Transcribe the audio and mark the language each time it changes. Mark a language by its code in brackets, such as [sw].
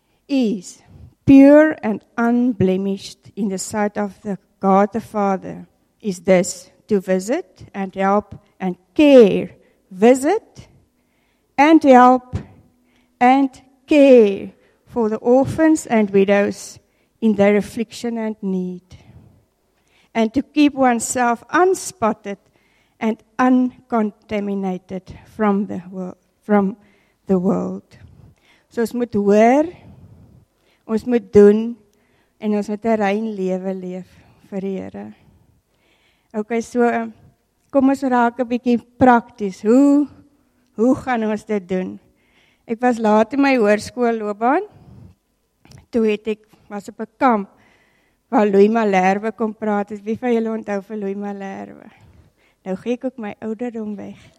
[en] is pure and unblemished in the sight of the God the Father, is this to visit and help and care, visit and help and care for the orphans and widows in their affliction and need, and to keep oneself unspotted and uncontaminated from the world. [af] So ons moet hoor, ons moet doen, en ons moet 'n rein lewe leef vir die Here. Okay, so kom ons raak 'n bietjie prakties. Hoe gaan ons dit doen? Ek was laat in my hoërskoolloopbaan. Toe het ek was op 'n kamp waar Louis Malherbe kom praat. Het wie van julle onthou vir Louis Malherbe? Nou gee ek ook my ouderdom weg.